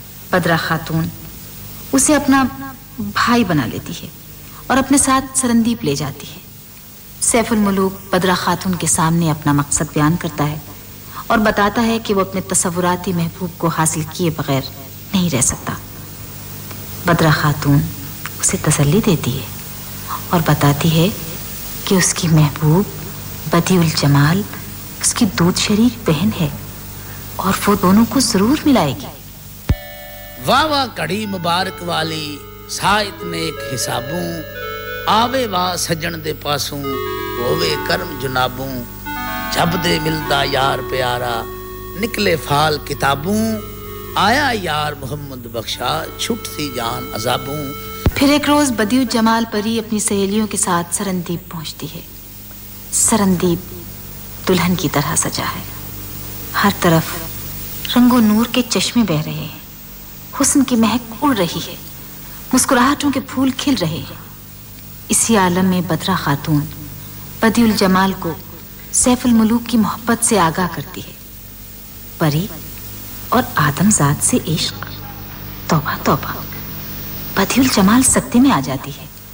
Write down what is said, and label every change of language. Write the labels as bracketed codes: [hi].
[ur] بدرہ خاتون اسے اپنا بھائی بنا لیتی ہے اور اپنے ساتھ سرندیپ لے جاتی ہے سیف الملوک بدرہ خاتون کے سامنے اپنا مقصد بیان کرتا ہے اور بتاتا ہے کہ وہ اپنے تصوراتی محبوب کو حاصل کیے بغیر نہیں رہ سکتا بدرہ خاتون اسے تسلی دیتی ہے اور بتاتی ہے کہ اس کی محبوب بدیع الجمال اس کی دودھ شریک بہن ہے اور وہ دونوں کو ضرور ملائے گی [pa] واہ واہ کڑی مبارک والی سائت نیک حسابوں آوے واہ سجن دے پاسوں ہووے کرم جنابوں جب دے ملدا یار پیارا نکلے فال کتابوں آیا یار محمد بخشا چھٹ سی جان عذابوں [ur] پھر ایک روز بدیع الجمال پری اپنی سہیلیوں کے ساتھ سرندیپ پہنچتی ہے سرندیپ دلہن کی طرح سجا ہے ہر طرف رنگ و نور کے چشمے بہ رہے ہیں حسن کی مہک اڑ رہی ہے مسکراہٹوں کے پھول کھل رہے ہیں اسی عالم میں بدرہ خاتون بدیع الجمال کو سیف الملوک کی محبت سے آگاہ کرتی ہے پری اور آدم ذات سے عشق توبہ توبہ بدیع الجمال سکتے میں آ جاتی ہے